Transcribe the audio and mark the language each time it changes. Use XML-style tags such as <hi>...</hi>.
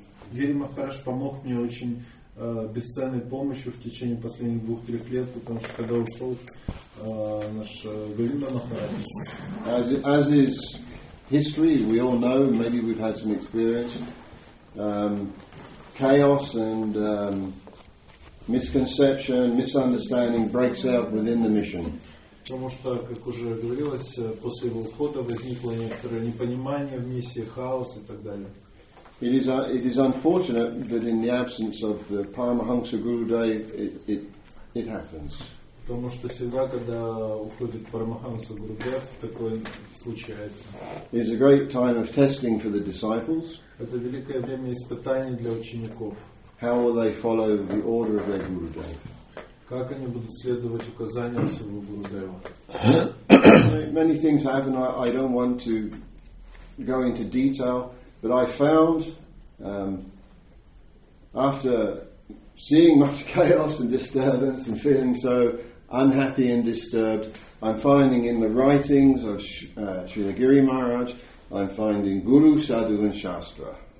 <ru>Гири Махарадж помог мне очень бесценной помощью в течение последних 2-3 лет, потому что когда ушел наш Говинда Махарадж.</ru> <en>As is history, we all know, maybe we've had some experience, chaos and misconception, misunderstanding breaks out within the mission.</en> <ru>Потому что, как уже говорилось, после его ухода возникло некоторое непонимание в миссии, хаос и так далее.</ru> <en>It is unfortunate that in the absence of the Paramahansa Gurudev, it it happens.</en> <ru>Потому что всегда, когда уходит Парамахамса Гурудев, такое случается.</ru> <en>It's a great time of testing for the disciples.</en> <ru>Это великое время испытаний для учеников.</ru> <en>How will they follow the order of their Gurudev?</en> <ru>Как они будут следовать указаниям своего Гурудева?</ru> <en>Many things happen. I don't want to go into detail, but I found after seeing much chaos and disturbance and feeling so unhappy and disturbed, I'm finding in the writings of Srinagiri Maharaj, I'm finding Guru, Sadhu and Shastra.</en>